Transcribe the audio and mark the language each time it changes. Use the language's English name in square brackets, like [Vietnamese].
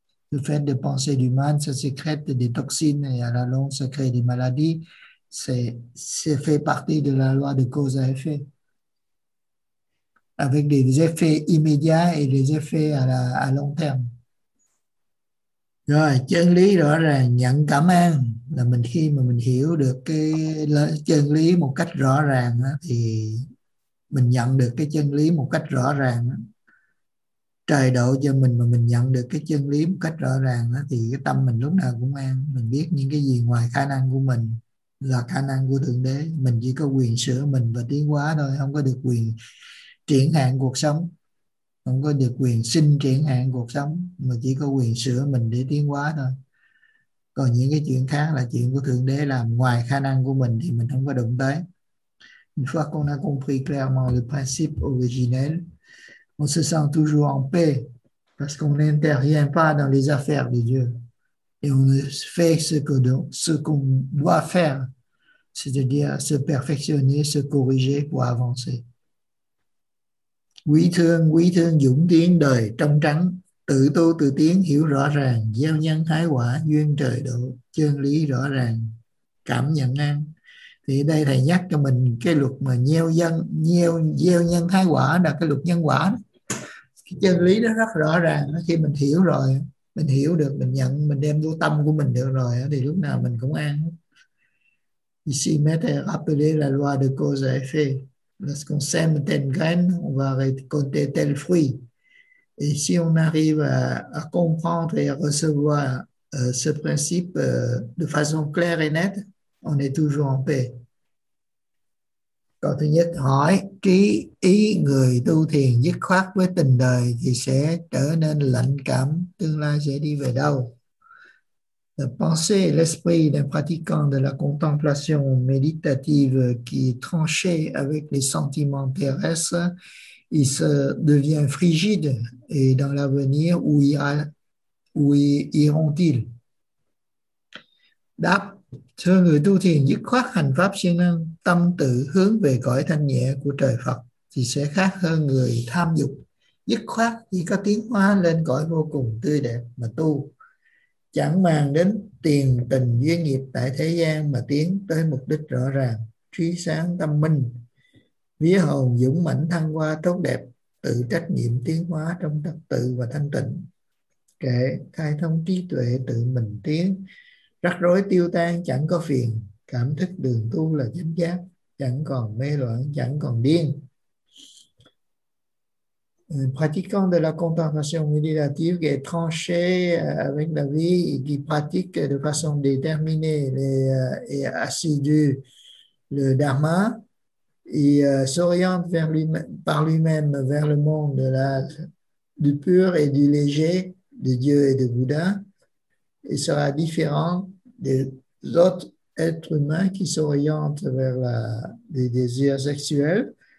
[French] Le fait de penser du mal, ça sécrète des toxines et à la longue, ça crée des maladies. C'est fait partie de la loi de cause à effet. Avec des effets immédiats et des effets à long terme. [Vietnamese] Rồi, chân lý đó là nhận cảm ơn, là mình khi mà mình hiểu được cái chân lý một cách rõ ràng đó, thì mình nhận được cái chân lý một cách rõ ràng đó. Trời độ cho mình mà mình nhận được cái chân lý một cách rõ ràng đó, thì cái tâm mình lúc nào cũng an, mình biết những cái gì ngoài khả năng của mình là khả năng của Thượng Đế, mình chỉ có quyền sửa mình và tiến hóa thôi, không có được quyền triển hạn cuộc sống. Không có được quyền xin triển hạn cuộc sống, mà chỉ có quyền sửa mình để tiến hóa thôi. Còn những cái chuyện khác là chuyện của Thượng Đế làm, ngoài khả năng của mình thì mình không có động tới. [French] Une fois qu'on a compris clairement le principe originel, on se sent toujours en paix parce qu'on n'intervient pas dans les affaires de Dieu et on fait ce qu'on doit faire c'est-à-dire se perfectionner, se corriger pour avancer. [Vietnamese] Quý thương dũng tiến đời trong trắng, tự tu tự tiến hiểu rõ ràng, gieo nhân thái quả, duyên trời độ, chân lý rõ ràng, cảm nhận an. Thì đây thầy nhắc cho mình cái luật mà gieo nhân thái quả là cái luật nhân quả. Cái chân lý nó rất rõ ràng, khi mình hiểu rồi, mình hiểu được, mình nhận, mình đem vô tâm của mình được rồi, thì lúc nào mình cũng an. [French] Ici, mettre et rappeler la loi de cause et effet. Lorsqu'on sème telle graine, on va récolter tel fruit. Et si on arrive à comprendre et à recevoir ce principe de façon claire et nette, on est toujours en paix. [Vietnamese] Câu thứ nhất, hỏi trí ý người tu thiền dứt khoát với tình đời thì sẽ trở nên lạnh cảm, tương lai sẽ đi về đâu? [French] La pensée et l'esprit d'un pratiquant de la contemplation méditative qui est tranché avec les sentiments terrestres, il se devient frigide et dans l'avenir, où iront-ils? [Vietnamese] Đáp, thưa người tu thiền dứt khoát hành pháp siêng năng, tâm tự hướng về cõi thanh nhẹ của trời Phật thì sẽ khác hơn người tham dục. Dứt khoát thì có tiến hóa lên cõi vô cùng tươi đẹp mà tu, chẳng màng đến tiền tình duyên nghiệp tại thế gian mà tiến tới mục đích rõ ràng, trí sáng tâm minh, vía hồn dũng mãnh thăng hoa tốt đẹp, tự trách nhiệm tiến hóa trong tật tự và thanh tịnh, kể khai thông trí tuệ tự mình tiến, rắc rối tiêu tan chẳng có phiền, cảm thức đường tu là chánh giác, chẳng còn mê loạn, chẳng còn điên. [French] Pratiquant de la contemplation méditative qui est tranché avec la vie et qui pratique de façon déterminée et assidue le dharma, il s'oriente vers lui, par lui-même vers le monde du pur et du léger, de Dieu et de Bouddha, et sera différent des autres êtres humains qui s'orientent vers les désirs sexuels.